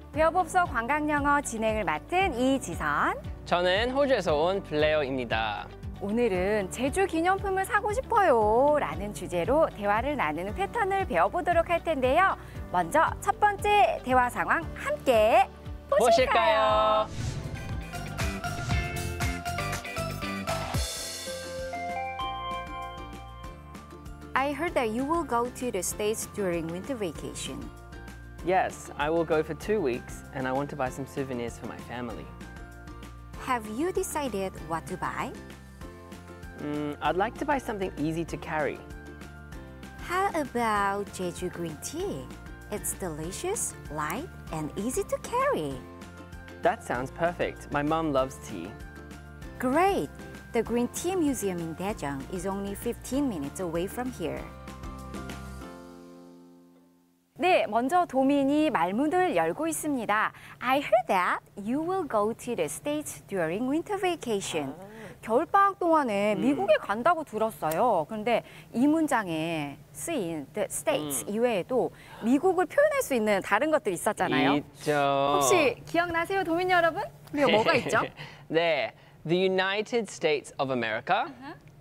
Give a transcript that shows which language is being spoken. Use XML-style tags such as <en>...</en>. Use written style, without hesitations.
<ko>웨어봅소 관광영어 진행을 맡은 이지선. 저는 호주에서 온 블레어입니다. 오늘은 제주 기념품을 사고 싶어요 라는 주제로 대화를 나누는 패턴을 배워보도록 할 텐데요. 먼저 첫 번째 대화 상황 함께 보실까요? 보실까요?</ko> <en>I heard that you will go to the States during winter vacation. Yes, I will go for 2 weeks and I want to buy some souvenirs for my family. Have you decided what to buy? I'd like to buy something easy to carry. How about Jeju green tea? It's delicious, light, and easy to carry. That sounds perfect. My mom loves tea. Great! The Green Tea Museum in Daejeong is only 15 minutes away from here.</en> <ko>네, 먼저 도민이 말문을 열고 있습니다.</ko> <en>I heard that you will go to the States during winter vacation.</en> <ko>겨울방학 동안에 미국에 간다고 들었어요. 그런데 이 문장에 쓰인 the States 이외에도 미국을 표현할 수 있는 다른 것들이 있었잖아요. 있죠. 혹시 기억나세요, 도민 여러분? 그리고 뭐가 있죠?</ko> <en>네, the United States of America. Uh-huh.</en>